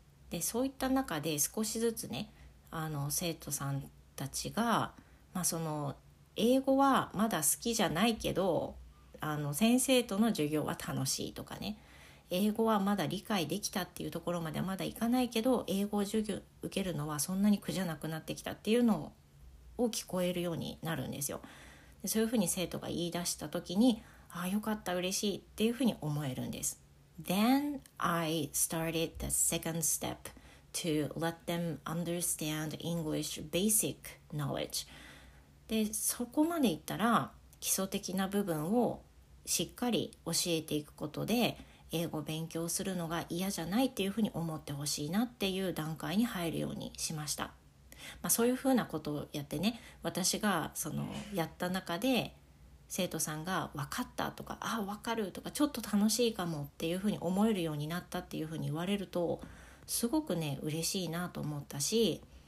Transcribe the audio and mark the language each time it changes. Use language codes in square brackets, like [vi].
[ja] で、そういった中で少しずつね、生徒さんたちが、まあ、その英語はまだ好きじゃないけど先生との授業は楽しいとかね、英語はまだ理解できたっていうところまではまだいかないけど、英語授業受けるのはそんなに苦じゃなくなってきたっていうのを聞こえるようになるんですよ。で、そういうふうに生徒が言い出した時に、ああよかった嬉しいっていうふうに思えるんです。 [en] Then I started the second step to let them understand English basic knowledge. [ja] で、そこまでいったら基礎的な部分をしっかり教えていくことで英語勉強するのが嫌じゃないっていうふうに思ってほしいなっていう段階に入るようにしました。まあ、そういうふうなことをやってね、私がそのやった中で生徒さんが分かったとか、ああ分かるとか、ちょっと楽しいかもっていうふうに思えるようになったっていうふうに言われると、すごくね嬉しいなと思ったし、